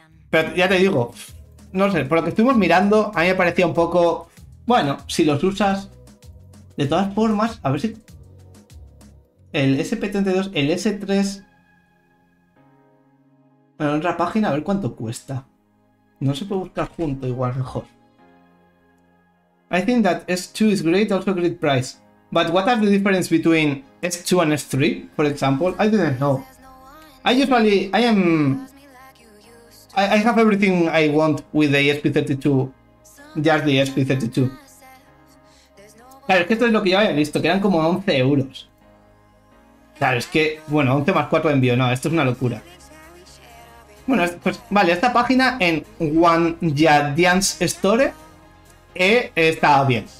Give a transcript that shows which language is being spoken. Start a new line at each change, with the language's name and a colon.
Spanish: Pero ya te digo, no sé, por lo que estuvimos mirando, a mí me parecía un poco... Bueno, si los usas... De todas formas, a ver si... El SP32, el S3... Bueno, en otra página, a ver cuánto cuesta. No se puede buscar junto, igual mejor.
English: I think that S2 is great, also great price. But what are the difference between S2 and S3, for example? I didn't know. I have everything I want with the ESP32. Just the ESP32.
Spanish: Claro, es que esto es lo que yo había visto, que eran como 11 euros. Claro, es que, bueno, 11 más 4 envío, no, esto es una locura. Bueno, pues vale, esta página en OneJadian's Store está bien.